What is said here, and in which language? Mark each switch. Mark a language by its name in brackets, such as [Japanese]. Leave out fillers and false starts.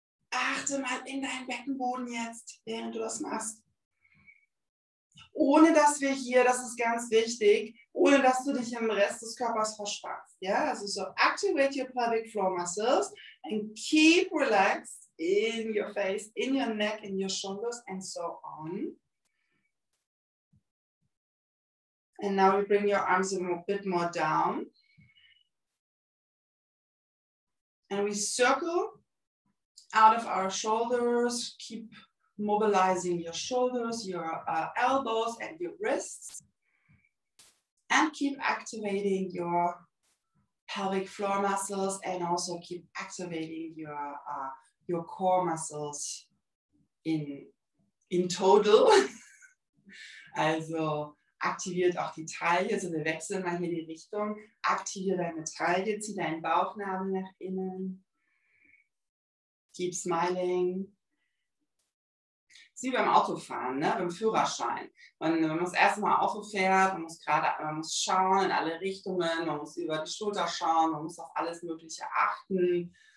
[German] Achte mal in deinen Beckenboden jetzt, während du das machst. Ohne dass wir hier, das ist ganz wichtig, ohne dass du dich im Rest des Körpers verspannst. Ja, also so [English] activate your pelvic floor muscles and keep relaxed in your face, in your neck, in your shoulders and so on. And now we bring your arms a bit more down. And we circle out of our shoulders, keep mobilizing your shoulders, your elbows and your wrists, and keep activating your pelvic floor muscles and also keep activating your core muscles in total. [German] Also aktiviert auch die Taille, also wir wechseln mal hier die Richtung, aktiviere deine Taille, zieh deinen Bauchnabel nach innen, [English] keep smiling. [German] Wie beim Autofahren, ne? Beim Führerschein. Man muss erstmal Auto fährt, man muss schauen in alle Richtungen, man muss über die Schulter schauen, man muss auf alles Mögliche achten.